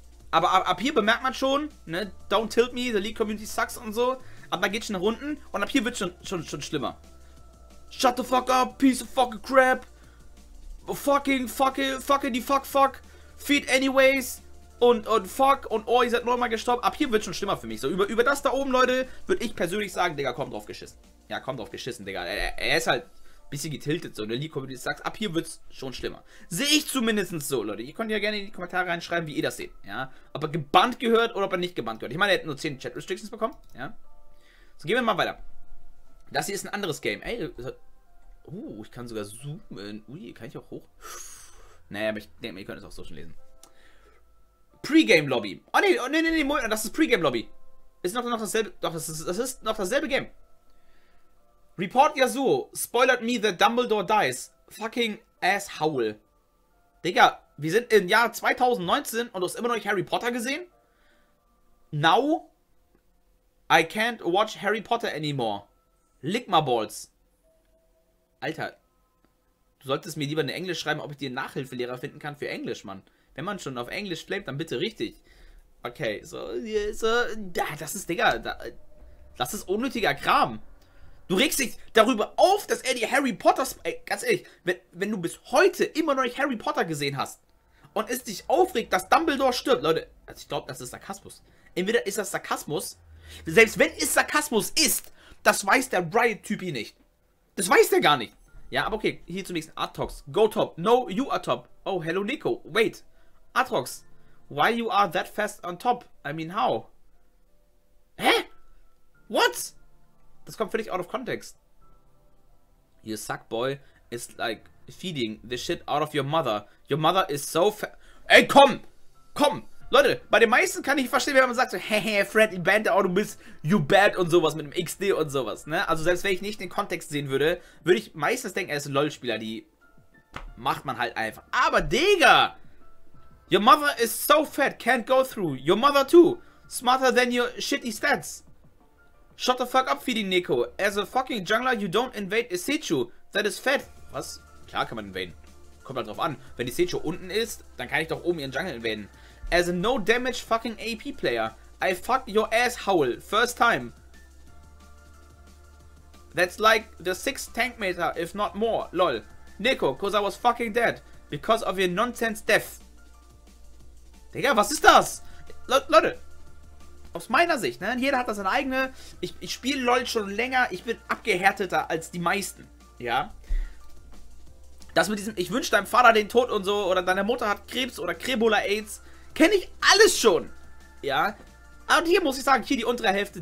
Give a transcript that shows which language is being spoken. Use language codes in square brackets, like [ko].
[de] Aber ab hier bemerkt man schon, ne? [en] Don't tilt me, the League Community sucks [de] und so. Aber man geht schon nach unten und ab hier wird schon schlimmer. [en] Shut the fuck up, piece of fucking crap. Fucking, fucking die fuck. Feed anyways. [de] Und fuck. Und oh, ihr seid nochmal gestorben. Ab hier wird schon schlimmer für mich. So, über das da oben, Leute, würde ich persönlich sagen, Digga, komm drauf geschissen. Ja, komm drauf geschissen, Digga. Er ist halt ein bisschen getiltet, so eine League-Community sagt, ab hier wird's schon schlimmer. Sehe ich zumindest so, Leute. Ihr könnt ja gerne in die Kommentare reinschreiben, wie ihr das seht. Ja. Ob er gebannt gehört oder ob er nicht gebannt gehört. Ich meine, er hätte nur 10 Chat-Restrictions bekommen. Ja. So, gehen wir mal weiter. Das hier ist ein anderes Game. Ey, ich kann sogar zoomen. Ui, kann ich auch hoch? Naja, aber ich denke, ihr könnt es auch so schon lesen. Pre-Game Lobby. Oh nee, Moment, das ist Pre-Game Lobby. Ist noch dasselbe. Doch, das ist noch dasselbe Game. [en] Report Yasuo spoilert me that Dumbledore dies. Fucking ass howl. [de] Digga, wir sind im Jahr 2019 und du hast immer noch nicht Harry Potter gesehen? [en] Now I can't watch Harry Potter anymore. Lick my balls. [de] Alter, du solltest mir lieber eine Englisch schreiben, ob ich dir einen Nachhilfelehrer finden kann für Englisch, Mann. Wenn man schon auf Englisch flamet, dann bitte richtig. Okay, so, da, das ist, Digga, da, das ist unnötiger Kram. Du regst dich darüber auf, dass er die Harry Potter, ganz ehrlich, wenn du bis heute immer noch nicht Harry Potter gesehen hast und es dich aufregt, dass Dumbledore stirbt, Leute, also ich glaube, das ist Sarkasmus. Entweder ist das Sarkasmus, selbst wenn es Sarkasmus ist, das weiß der Riot-Typi nicht. Das weiß der gar nicht. Ja, aber okay, hier zum nächsten. [en] Atrox, go top. No, you are top. Oh, hello, Nico. Wait. Atrox, why you are that fast on top? I mean, how? Hä? What? [de] Das kommt völlig [en] out of context. You suck, boy. It's like feeding the shit out of your mother. Your mother is so fat. [de] Ey, komm! Komm! Leute, bei den meisten kann ich verstehen, wenn man sagt so, hehe, Fred, ich bannte auch, du bist [en] you bad [de] und sowas mit dem XD und sowas, ne? Also selbst wenn ich nicht den Kontext sehen würde, würde ich meistens denken, er ist ein LOL-Spieler, die macht man halt einfach. Aber Digga! [en] Your mother is so fat, can't go through. Your mother too. Smarter than your shitty stats. Shut the fuck up, feeding Nico. As a fucking jungler, you don't invade Isechu. That is fat. [de] Was? Klar kann man invaden. Kommt halt drauf an. Wenn Isechu unten ist, dann kann ich doch oben ihren Jungle invaden. [en] As a no damage fucking AP player, I fuck your ass howl first time. That's like the 6th tank meter, if not more, lol. Nico, cause I was fucking dead. Because of your nonsense death. [de] Digga, was ist das? Leute, aus meiner Sicht, ne? Jeder hat da seine eigene. Ich spiele LOL schon länger. Ich bin abgehärteter als die meisten. Ja? Das mit diesem, ich wünsche deinem Vater den Tod und so, oder deine Mutter hat Krebs oder Krebola AIDS. Kenne ich alles schon. Ja. Und hier muss ich sagen, hier die untere Hälfte.